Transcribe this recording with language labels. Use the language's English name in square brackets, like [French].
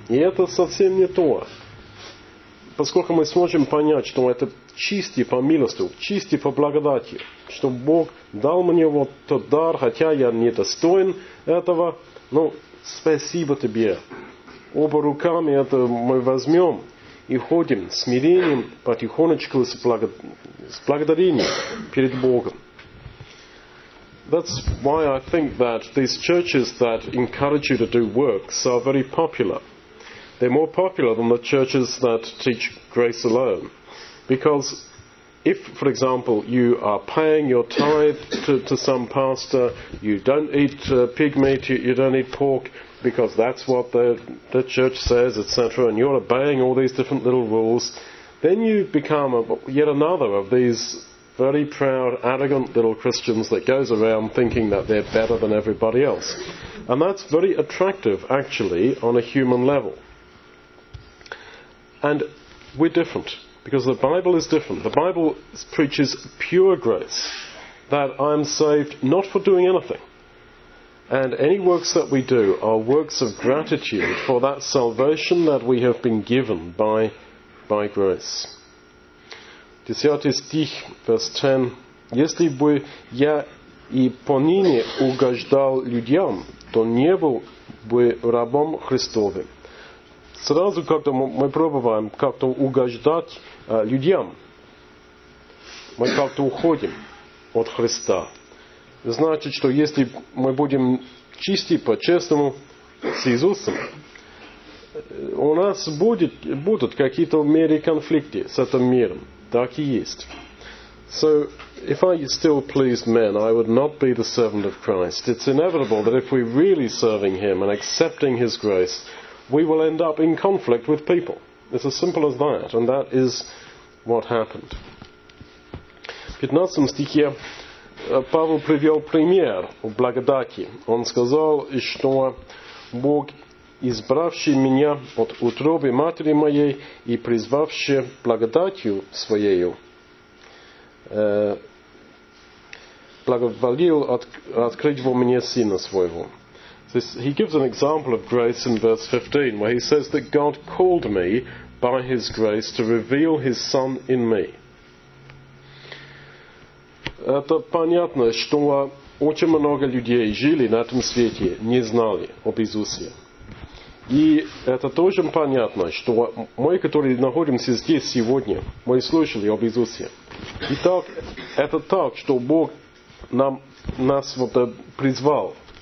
[Russian] И это совсем не то. Поскольку мы сможем понять, что это чистый по милости, чистый по благодати, что Бог дал мне вот тот дар, хотя я не достоин этого, но спасибо тебе. Оба руками это мы возьмем и ходим смирением потихонечку с благодарением перед Богом. [English] That's why I think that these churches that encourage you to do works are very popular. They're more popular than the churches that teach grace alone. Because if, for example, you are paying your tithe to some pastor, you don't eat pig meat, you don't eat pork, because that's what the church says, etc., and you're obeying all these different little rules, then you become yet another of these very proud, arrogant little Christians that goes around thinking that they're better than everybody else. And that's very attractive, actually, on a human level. And we're different, because the Bible is different. The Bible preaches pure grace, that I am saved not for doing anything. And any works that we do are works of gratitude for that salvation that we have been given by grace. [Russian] Десятый стих, [English] verse 10. [Russian] Если бы я и поныне угождал людям, то не был бы рабом Христовым. Сразу как-то мы пробуем как-то угождать людям. Мы как-то уходим от Христа. Значит, что если мы будем чисты по-честному с Иисусом, у нас будут какие-то в мире конфликты с этим миром. Так и есть. [English] So, if I still pleased men, I would not be the servant of Christ. It's inevitable that if we're really serving Him and accepting His grace, we will end up in conflict with people. It's as simple as that, and that is what happened. [Russian] В 15 стихе Павел привел пример о благодати. Он сказал, что Бог, избравший меня от утробы матери моей и призвавший благодатью своею, благоволил открыть во мне сына своего. [English] This, he gives an example of grace in verse 15, where he says that God called me by his grace to reveal his son in me. [Russian] Это понятно, что очень много людей жили на этом свете, не знали об Иисусе. И это тоже понятно, что мы, которые находимся здесь сегодня, мы слышали об Иисусе. Итак, это так, что Бог нас вот призвал.